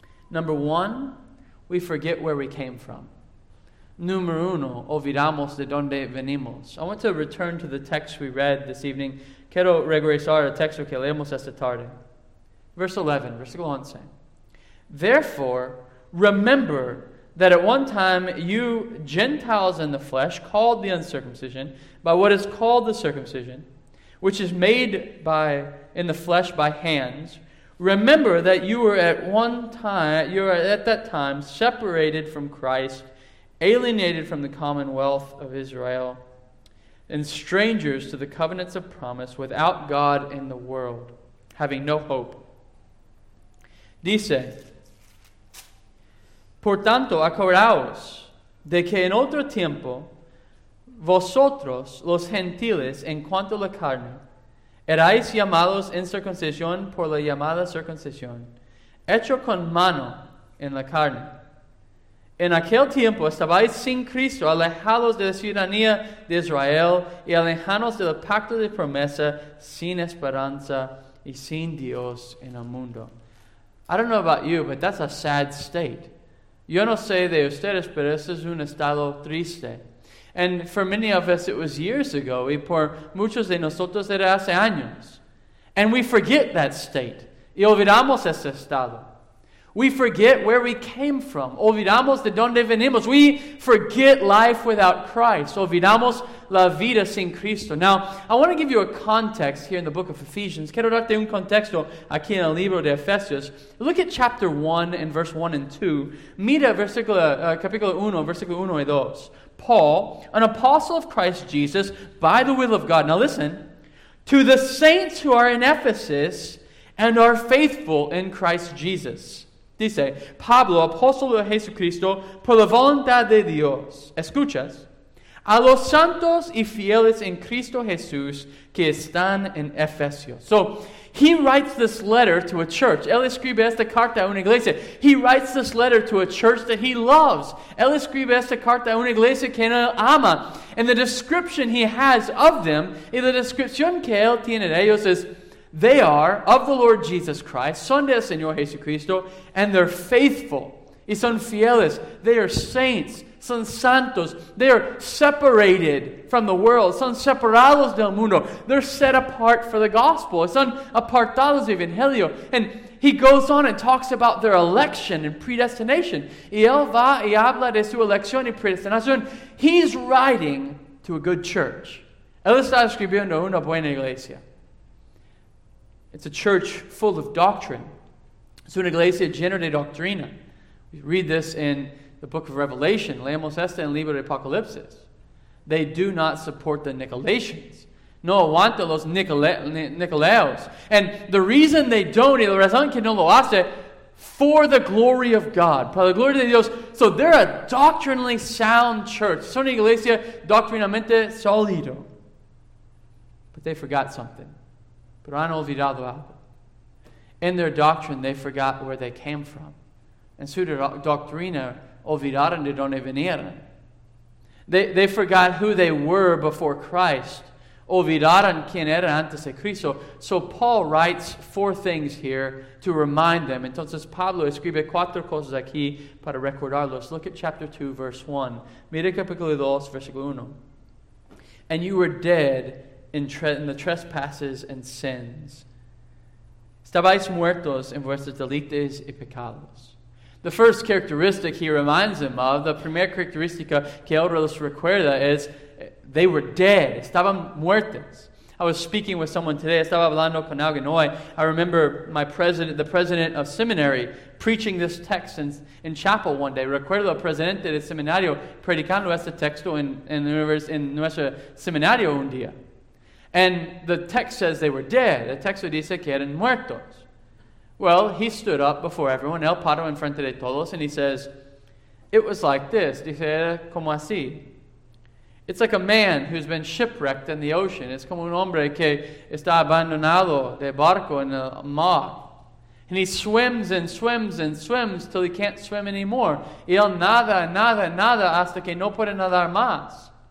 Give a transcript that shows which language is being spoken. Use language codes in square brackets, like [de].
[en] Number one, we forget where we came from. [es] Número uno, olvidamos de donde venimos. [en] I want to return to the text we read this evening. [es] Quiero regresar al texto que leemos esta tarde. [en] Verse 11, [es] versículo 11. [en] Therefore, remember that at one time you Gentiles in the flesh, called the uncircumcision, by what is called the circumcision, which is made in the flesh by hands, Remember that you were at one time, you were at that time separated from Christ, alienated from the commonwealth of Israel, and strangers to the covenants of promise, without God in the world, having no hope. [es] Dice, por tanto, acordaos de que en otro tiempo, vosotros, los gentiles, en cuanto a la carne, erais llamados en circuncisión por la llamada circuncisión, hecho con mano en la carne. En aquel tiempo estabais sin Cristo, alejados de la ciudadanía de Israel y alejados del pacto de promesa, sin esperanza y sin Dios en el mundo. [en] I don't know about you, but that's a sad state. [es] Yo no sé de ustedes, pero eso es un estado triste. [en] And for many of us, it was years ago. [es] Y por muchos de nosotros, era hace años. [en] And we forget that state. [es] Y olvidamos ese estado. [en] We forget where we came from. [es] Olvidamos de donde venimos. [en] We forget life without Christ. [es] Olvidamos la vida sin Cristo. [en] Now, I want to give you a context here in the book of Ephesians. [es] Quiero darte un contexto aquí en el libro de Efesios. [en] Look at chapter 1 and verse 1 and 2. [es] Mira capítulo 1, versículo 1 y 2. [en] Paul, an apostle of Christ Jesus, by the will of God. Now listen. To the saints who are in Ephesus and are faithful in Christ Jesus. [es] Dice, Pablo, apóstol de Jesucristo, por la voluntad de Dios. Escuchas. A los santos y fieles en Cristo Jesús que están en Efesios. [en] So, he writes this letter to a church. [es] Él escribe esta carta a una iglesia. [en] He writes this letter to a church that he loves. [es] Él escribe esta carta a una iglesia que él ama. [en] And the description he has of them, [es] y la descripción que él tiene de ellos es, [en] they are of the Lord Jesus Christ, [es] son del Señor Jesucristo, [en] and they're faithful. [es] Y son fieles. [en] They are saints. [es] Son santos. [en] They are separated from the world. [es] Son separados del mundo. [en] They're set apart for the gospel. [es] Son apartados del Evangelio. [en] And he goes on and talks about their election and predestination. [es] Y él va y habla de su elección y predestinación. [en] He's writing to a good church. [es] Él está escribiendo una buena iglesia. [en] It's a church full of doctrine. [es] Es una iglesia llena de doctrina. [en] We read this in the book of Revelation. [es] Leemos esta en el libro de Apocalipsis. [en] They do not support the Nicolaitans. [es] No aguanta los Nicolaos. [en] And the reason they don't, [es] y la razón que no lo hace, [en] for the glory of God. [es] Para la gloria de Dios. [en] So they're a doctrinally sound church. [es] Es una iglesia doctrinalmente sólido. [en] But they forgot something. [es] Pero han olvidado algo. [en] In their doctrine, they forgot where they came from. [es] En su doctrina, olvidaron de donde vinieron. [en] They forgot who they were before Christ. [es] Olvidaron quién era antes de Cristo. [en] So Paul writes four things here to remind them. [es] Entonces Pablo escribe cuatro cosas aquí para recordarlos. [en] Look at chapter 2, verse 1. [es] Mira capítulo 2, versículo 1. [en] And you were dead in the trespasses and sins. [es] Estabais muertos en vuestros delitos y pecados. [en] The first characteristic he reminds them of, the [es] primera característica que ahora les recuerda [en] is, they were dead. [es] Estaban muertos. [en] I was speaking with someone today. [es] Estaba hablando con alguien hoy. [en] I remember my president, the president of seminary, preaching this text in chapel one day. [es] Recuerdo al presidente del seminario predicando este texto en nuestro seminario un día. [en] And the text says they were dead. [es] El texto dice que eran muertos. [en] Well, he stood up before everyone, [es] el paro en frente de todos, [en] and he says, it was like this. [es] Dice, era como así. [en] It's like a man who's been shipwrecked in the ocean. [es] It's como un hombre que está abandonado de barco en el mar. [en] And he swims and swims and swims till he can't swim anymore. [es] Y él nada, nada, nada hasta que no puede nadar más.